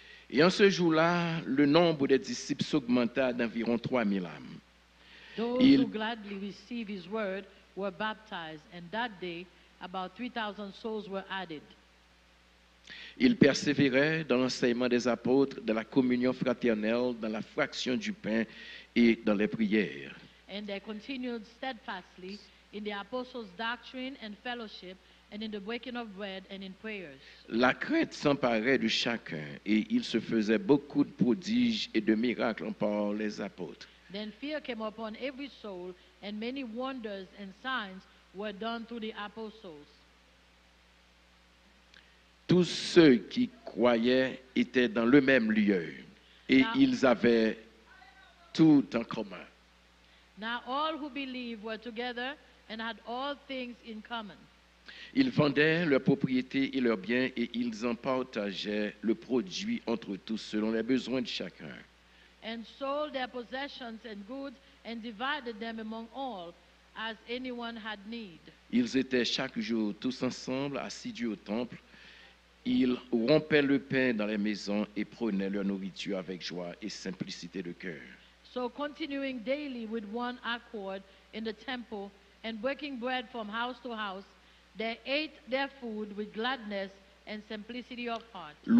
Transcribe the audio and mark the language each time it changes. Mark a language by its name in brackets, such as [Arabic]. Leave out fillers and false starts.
[French] Et en ce jour-là, le nombre des disciples s'augmenta d'environ 3000 âmes. [English] Those who gladly received his word were baptized, and that day about 3000 souls were added. [French] Ils persévéraient dans l'enseignement des apôtres, dans la communion fraternelle, dans la fraction du pain et dans les prières. [English] And they continued steadfastly in the apostles' doctrine and fellowship, and in the breaking of bread and in prayers. [French] La crainte s'emparait de chacun, et il se faisait beaucoup de prodiges et de miracles par les apôtres. [English] Then fear came upon every soul, and many wonders and signs were done through the apostles. [French] Tous ceux qui croyaient étaient dans le même lieu et [English] now, [French] ils avaient tout en commun. [English] Now all who believed were together and had all things in common. [French] Ils vendaient leurs propriétés et leurs biens et ils en partageaient le produit entre tous selon les besoins de chacun. [English] And sold their possessions and goods and divided them among all as anyone had need. [French] Ils étaient chaque jour tous ensemble assidus au temple. Ils rompaient le pain dans les maisons et prenaient leur nourriture avec joie et simplicité de cœur. [English] So continuing daily with one accord in the temple and breaking bread from house to house, they ate their food with gladness and simplicity of heart.